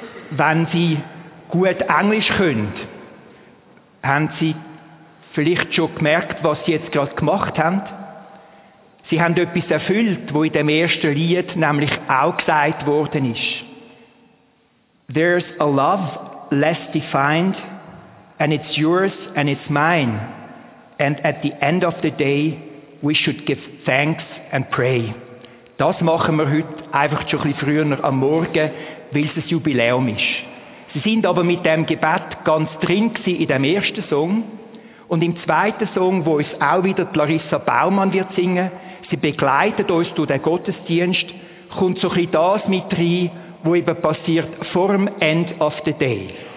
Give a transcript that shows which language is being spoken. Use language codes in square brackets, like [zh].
[de] Wenn Sie gut Englisch können, haben Sie vielleicht schon gemerkt, was Sie jetzt gerade gemacht haben. Sie haben etwas erfüllt, was in dem ersten Lied nämlich auch gesagt worden ist. [en] There's a love less defined, and it's yours and it's mine. And at the end of the day, we should give thanks and pray. [de] Das machen wir heute einfach schon ein bisschen früher am Morgen, weil es ein Jubiläum ist. Sie sind aber mit dem Gebet ganz drin gewesen in dem ersten Song. Und im zweiten Song, wo uns auch wieder Larissa Baumann wird singen, sie begleitet uns durch den Gottesdienst, kommt so ein bisschen das mit rein, was eben passiert vor dem End of the Day.